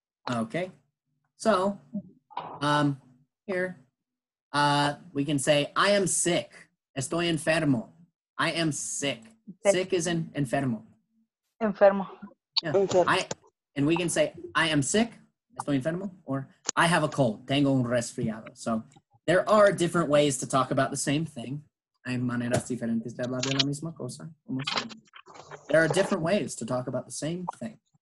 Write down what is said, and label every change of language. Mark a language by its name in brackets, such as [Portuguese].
[English] Okay. So, here, we can say, I am sick. [Spanish] Estoy enfermo. [English] I am sick. Sick is an enfermo. [Spanish] Enfermo. [English] Yeah. And we can say, I am sick. [Spanish] Estoy enfermo. [English] Or, I have a cold. [Spanish] Tengo un resfriado. [English] So, there are different ways to talk about the same thing. [Spanish] Hay maneras diferentes de hablar de la misma cosa. [English] There are different ways to talk about the same thing.